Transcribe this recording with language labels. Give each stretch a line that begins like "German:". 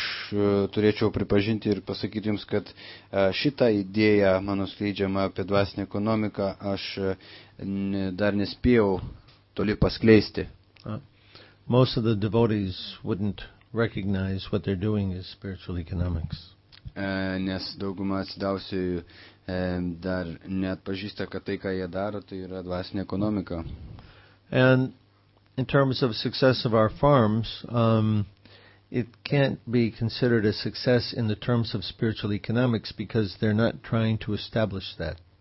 Lithuanian: Turėčiau pripažinti ir pasakyti jums, kad šitą idėją mano skleidžiamą apie dvasinę ekonomiką aš dar nespėjau toli paskleisti.
English: Most of the devotees wouldn't recognize what they're doing is spiritual economics.
Lithuanian: Nes dauguma atsidavusiųjų dar neatpažįsta, kad tai, ką jie daro, tai yra dvasinė ekonomika.
English: And in terms of success of our farms, it can't be considered a success in the terms of spiritual economics because they're not trying to establish that.